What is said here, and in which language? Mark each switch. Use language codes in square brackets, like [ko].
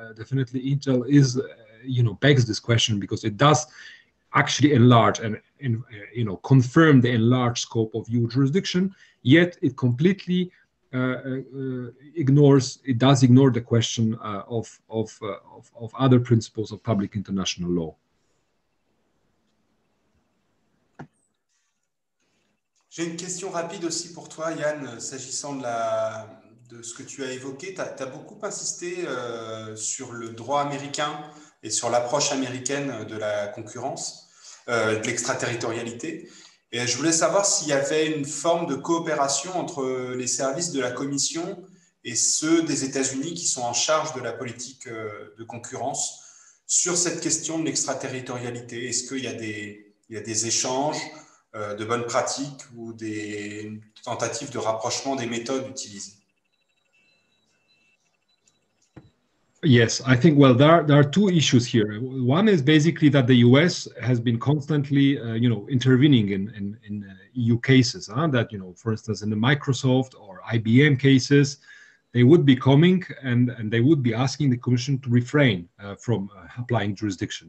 [en] Definitely Intel is, you know, begs this question because it does actually enlarge and you know, confirm the enlarged scope of EU jurisdiction, yet it completely ignores the question of other principles of public international law. [fr] J'ai une question rapide aussi pour toi, Yann, s'agissant de ce que tu as évoqué. Tu as beaucoup insisté sur le droit américain et sur l'approche américaine de la concurrence, de l'extraterritorialité. Et je voulais savoir s'il y avait une forme de coopération entre les services de la Commission et ceux des États-Unis qui sont en charge de la politique de concurrence sur cette question de l'extraterritorialité. Est-ce qu'il y a des échanges de bonnes pratiques ou des tentatives de rapprochement des méthodes utilisées? [en] Yes, I think, well, there are two issues here. One is basically that the US has been constantly, you know, intervening in EU cases, that, you know, for instance, in the Microsoft or IBM cases, they would be coming and they would be asking the Commission to refrain from applying jurisdiction.